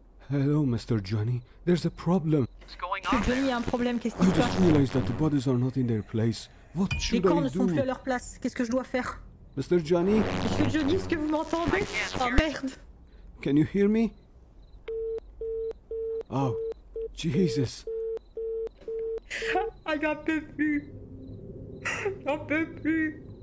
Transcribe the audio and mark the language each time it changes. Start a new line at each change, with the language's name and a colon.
English: Hello, Mr. Johnny. There's a problem.
French: Monsieur Johnny, il y a un problème. Qu'est-ce qui se passe?
English: I just realized that the bodies are not in their place. What should I do?
French: Les corps ne sont plus à leur place. Qu'est-ce que je dois faire?
English: Mr. Johnny?
French: Monsieur Johnny, est-ce que vous m'entendez? Oh merde!
English: Can you hear me? Oh, Jesus.
French: Ah, j'en peux plus. J'en peux plus.